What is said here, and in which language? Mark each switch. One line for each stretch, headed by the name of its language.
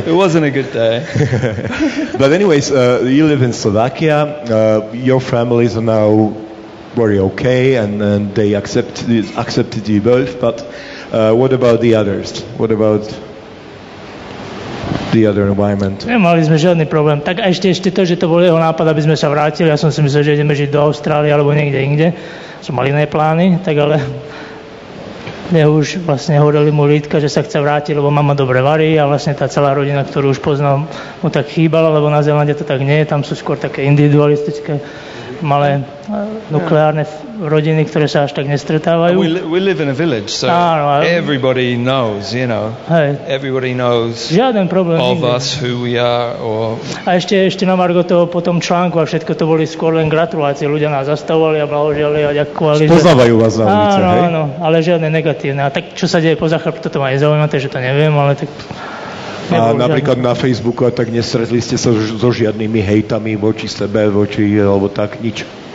English: It wasn't a good day. But anyways, you live in Slovakia, your families are now very okay, and they accepted you both, but what about the others? What about the other environment?
Slovak: Nemali sme žiadny problém. Tak ešte to, že to bol jeho nápad, aby sme sa vrátili. Ja som si myslel, že ideme žiť do Austrálie alebo niekde inde. Som mal iné plány, tak ale... Mne už vlastne horeli mu lítka, že sa chce vrátiť, lebo mama dobre varí a vlastne tá celá rodina, ktorú už poznal, mu tak chýbala, lebo na Zelande to tak nie je, tam sú skôr také individualistické malé nukleárne rodiny, ktoré sa až tak nestretávajú.
English: We live in a village, so everybody knows, you know. Hey. Everybody knows.
Slovak: Žiaden problém.
English: All of us who we are or...
Slovak: A ešte na margo toho potom článku a všetko to boli skôr len gratulácie. Ľudia nás zastavovali a blahoželi a ďakovali. Poznávajú vás na ulici, hej? Áno, áno, ale žiadne negatívne. A tak čo sa deje poza chrbt, toto ma nezaujíma, takže to neviem, ale tak... A napríklad na Facebooku, a tak nestretli ste sa so žiadnymi hejtami voči sebe, voči, alebo tak, nič?